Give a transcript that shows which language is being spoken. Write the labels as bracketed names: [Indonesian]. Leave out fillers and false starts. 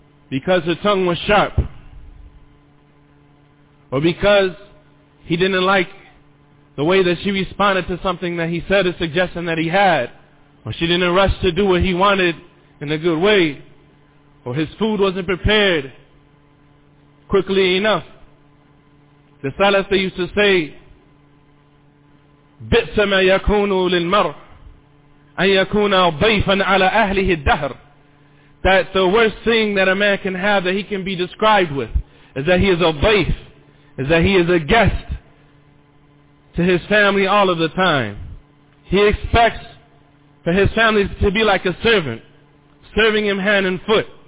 [English] Because her tongue was sharp, or because he didn't like the way that she responded to something that he said, a suggestion that he had, or she didn't rush to do what he wanted in a good way, or his food wasn't prepared quickly enough, The Salaf, they used to say, [Arabic] بِئْسَ مَا يَكُونُ لِلْمَرْءِ أَنْ يَكُونَ ضَيْفًا عَلَىٰ أَهْلِهِ الدَّهْرِ. [English] That the worst thing that a man can have, that he can be described with, is that he is a ضيف, is that he is a guest to his family all of the time. He expects for his family to be like a servant, serving him hand and foot.